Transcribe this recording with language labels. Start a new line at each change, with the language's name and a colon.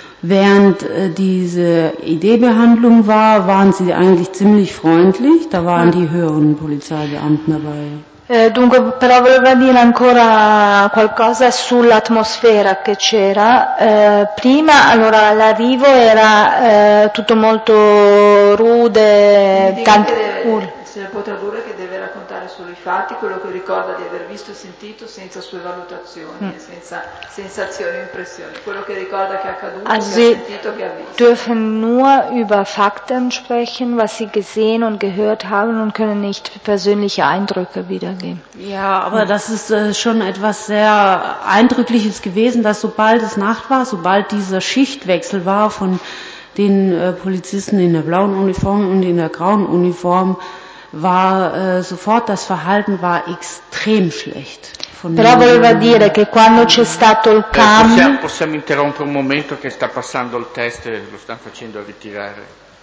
German: Während diese ID-Behandlung war, waren sie eigentlich ziemlich freundlich, da waren die höheren Polizeibeamten dabei.
Italian: Dunque, però volevo dire ancora qualcosa sull'atmosfera che c'era. Prima, allora, l'arrivo era tutto molto rude, tanto cool. Se ne può tradurre che deve raccontare solo i fatti, quello che ricorda di aver visto e sentito senza sue valutazioni, senza sensazioni, impressioni. Quello che ricorda che è accaduto, also che ha sentito, che ha visto.
German: Dürfen nur über Fakten sprechen, was sie gesehen und gehört haben und können nicht persönliche Eindrücke wiedergeben. Ja, aber das ist schon etwas sehr Eindrückliches gewesen, dass sobald es Nacht war, sobald dieser Schichtwechsel war von den Polizisten in der blauen Uniform und in der grauen Uniform, war sofort das Verhalten war extrem schlecht.
Italian: Però voleva dire che quando c'è stato il cambio. Possiamo interrompere un momento che sta passando il test e lo stanno facendo ritirare.